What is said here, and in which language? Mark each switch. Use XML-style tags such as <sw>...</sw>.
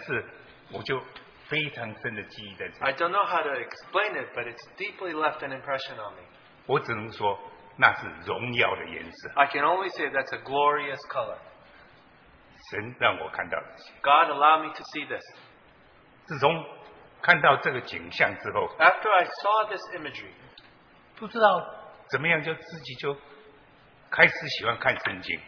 <zh>现在我也不知道要怎么形容这个颜色，但是我就非常深的记忆在这里.</zh> <en>I don't know how to explain it, but it's deeply left an impression on me.</en> <zh>我只能说, 那是荣耀的颜色.</zh> <en>I can only say that's a glorious color.</en> <zh>神让我看到这些.</zh> <en>God allowed me to see this.</en> <zh>自从看到这个景象之后,</zh> <en>after I saw this imagery,</en> <zh>不知道怎么样就自己就开始喜欢看圣经.</zh>